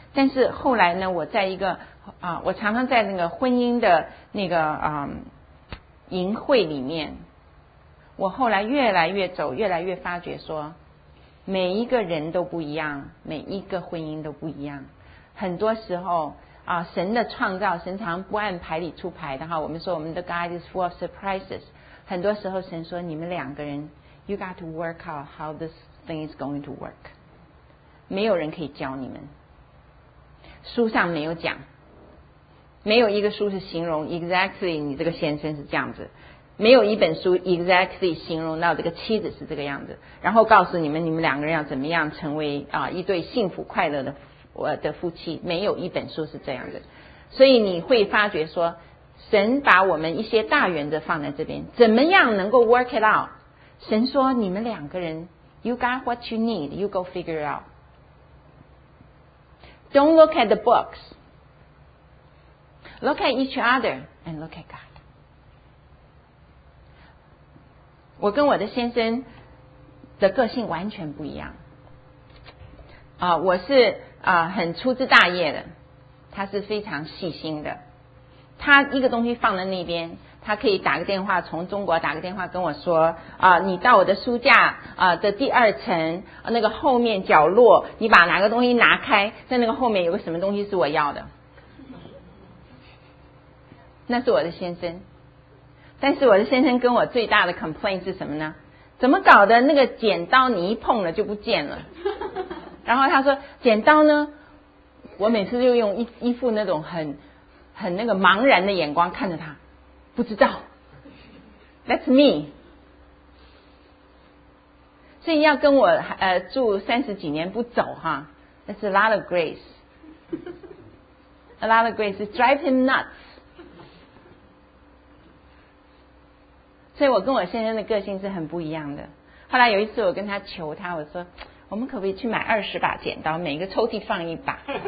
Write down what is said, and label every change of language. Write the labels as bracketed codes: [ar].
[zh] 但是后来呢，我在一个我常常在那个婚姻的那个营会里面，我后来越来越走，越来越发觉说，每一个人都不一样，每一个婚姻都不一样。很多时候神的创造，神常不按牌理出牌的哈。我们说我们的 [en] God is full of surprises。 [zh] 很多时候神说你们两个人 [en] ，You got to work out how this thing is going to work。 [zh] 没有人可以教你们，书上没有讲，没有一个书是形容 exactly 你这个先生是这样子。没有一本书 exactly 形容到这个妻子是这个样子，然后告诉你们，你们两个人要怎么样成为一对幸福快乐的夫妻，没有一本书是这样的。所以你会发觉说，神把我们一些大原则放在这边，怎么样能够 [en] work it out？ [zh] 神说你们两个人 [en] ，you got what you need， you go figure it out。 Don't look at the books， look at each other and look at God。 [zh] 我跟我的先生的个性完全不一样我是很粗枝大叶的，他是非常细心的。他一个东西放在那边，他可以打个电话，从中国打个电话跟我说你到我的书架的第二层那个后面角落，你把哪个东西拿开，在那个后面有个什么东西是我要的。那是我的先生。但是我的先生跟我最大的 complaint 是什么呢？怎么搞的那个剪刀你一碰了就不见了。然后他说剪刀呢，我每次就用一副那种很那个茫然的眼光看着他，不知道。 [en] That's me。 [zh] 所以要跟我住三十几年不走哈， [en] That's a lot of grace。 A lot of grace is drive him nuts。 [zh] 所以我跟我先生的个性是很不一样的。后来有一次我跟他求他，我说我们可不可以去买20把剪刀，每个抽屉放一把。